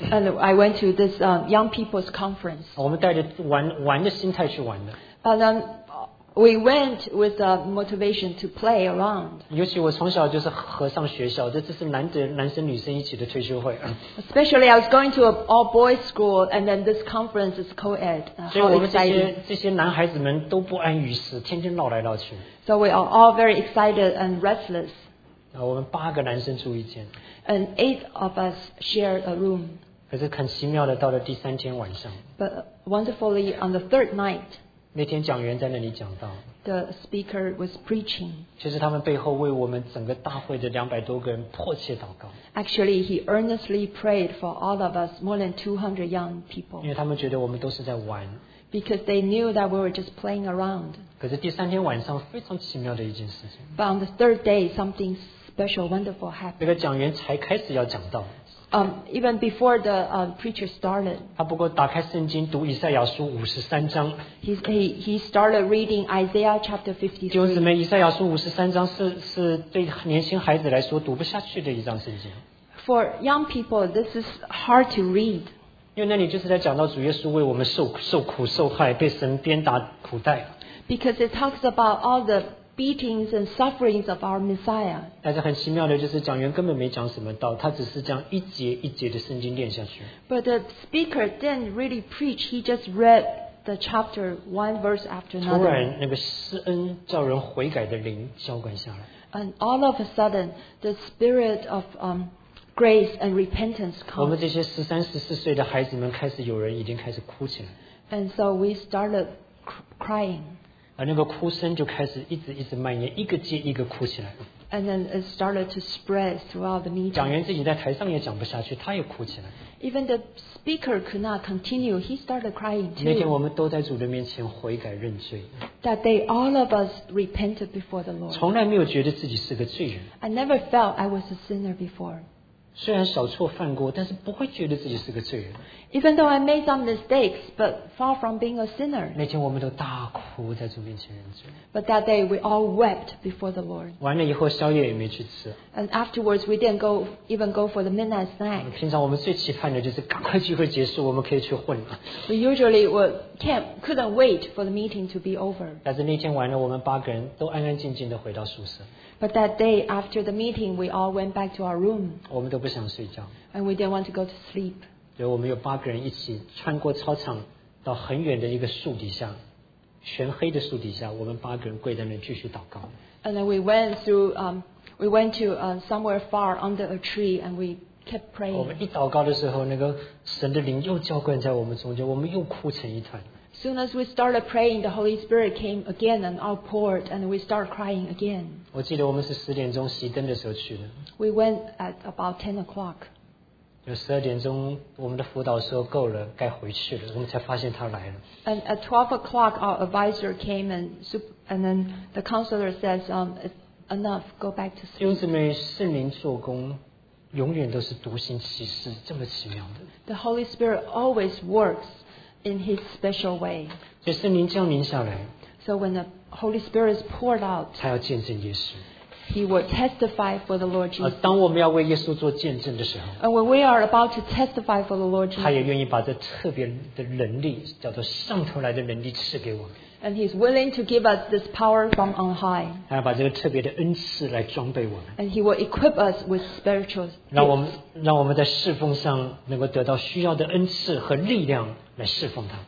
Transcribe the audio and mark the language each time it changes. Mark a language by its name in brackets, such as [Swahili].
[English] And I went to this young people's conference. [Chinese] 我们带着玩的心态去玩的。 [English] And then we went with the motivation to play around. [Chinese] 尤其我从小就是和尚学校，这是难得男生女生一起的退休会。 [English] Especially I was going to an all boys school, and then this conference is co-ed. [Chinese] 所以我们这些男孩子们都不安于世，天天闹来闹去。 [English] So we are all very excited and restless. [Chinese] 我们八个男生住一间。 [English] And eight of us share a room. [Chinese] 可是很奇妙的，到了第三天晚上。 [English] But wonderfully, on the third night. [Chinese] 那天讲员在那里讲道。 [English] The speaker was preaching. [Chinese] 其实他们背后为我们整个大会的两百多个人迫切祷告。 [English] Actually, he earnestly prayed for all of us, more than 200 young people. [Chinese] 因为他们觉得我们都是在玩。 [English] Because they knew that we were just playing around. [Chinese] 可是第三天晚上非常奇妙的一件事情。 [English] But on the third day, something special, wonderful happened. [Chinese] 那个讲员才开始要讲道。 [English] Even before the preacher started, [Chinese] 他不过打开圣经读以赛亚书五十三章。 [English] He started reading Isaiah chapter 53. [Chinese] 弟兄姊妹，以赛亚书五十三章是对年轻孩子来说读不下去的一章圣经。 [English] For young people, this is hard to read. [Chinese] 因为那里就是在讲到主耶稣为我们受苦受害，被神鞭打苦待。 [English] Because it talks about all the beatings and sufferings of our Messiah. [Chinese] 但是很奇妙的就是讲员根本没讲什么道，他只是讲一节一节的圣经念下去。 [English] But the speaker didn't really preach. He just read the chapter one verse after another. [Chinese] 突然，那个施恩叫人悔改的灵浇灌下来。 [English] And all of a sudden, the spirit of grace and repentance comes. [Chinese] 我们这些十三、十四岁的孩子们开始有人已经开始哭起来。 [English] And so we started crying. [Chinese] 而那个哭声就开始一直一直蔓延，一个接一个哭起来。 [English] And then it started to spread throughout the meeting. [Chinese] 讲员自己在台上也讲不下去，他也哭起来。 [English] Even the speaker could not continue. He started crying too. [Chinese] 那天我们都在主的面前悔改认罪。 [English] That day, all of us repented before the Lord. [Chinese] 从来没有觉得自己是个罪人。 [English] I never felt I was a sinner before. [Chinese] 虽然小错犯过，但是不会觉得自己是个罪人。 [English] Even though I made some mistakes, but far from being a sinner. [Chinese] 那天我们都大哭在主面前认罪。 [English] But that day we all wept before the Lord. [Chinese] 完了以后宵夜也没去吃。 [English] And afterwards we didn't even go for the midnight snack. [Chinese] 平常我们最期盼的就是赶快聚会结束，我们可以去混了。 [English] We usually couldn't wait for the meeting to be over. [Chinese] 但是那天晚了，我们八个人都安安静静的回到宿舍。 [English] But that day after the meeting, we all went back to our room. [Chinese] 我们都不想睡觉。 [English] And we didn't want to go to sleep. [Chinese] 所以我们有八个人一起穿过操场到很远的一个树底下，全黑的树底下，我们八个人跪在那继续祷告。 [English] And then we went to somewhere far under a tree and we kept praying. [Chinese] 我们一祷告的时候，那个神的灵又浇灌在我们中间，我们又哭成一团。 [English] Soon as we started praying, the Holy Spirit came again and outpoured, and we started crying again. [Chinese] 我记得我们是十点钟熄灯的时候去的。 [English] We went at about 10 o'clock. [Chinese] 有十二点钟，我们的辅导说够了，该回去了，我们才发现他来了。 [English] And at 12 o'clock, our advisor came and then the counselor says, enough, go back to sleep. [Chinese] 弟兄姊妹，圣灵做工，永远都是独行其事，这么奇妙的。 [English] The Holy Spirit always works in His special way. [Chinese] 所以圣灵降临下来。 [English] So when the Holy Spirit is poured out, [Chinese] 他要见证耶稣。 [English] He will testify for the Lord Jesus. [Chinese] 当我们要为耶稣做见证的时候 [English] ，And when we are about to testify for the Lord Jesus, [Chinese] 他也愿意把这特别的能力，叫做上头来的能力赐给我们。 [English] And He's willing to give us this power from on high. [Chinese] 他要把这个特别的恩赐来装备我们。 [English] And He will equip us with spiritual gifts. [Chinese] 让我们在侍奉上能够得到需要的恩赐和力量来侍奉他。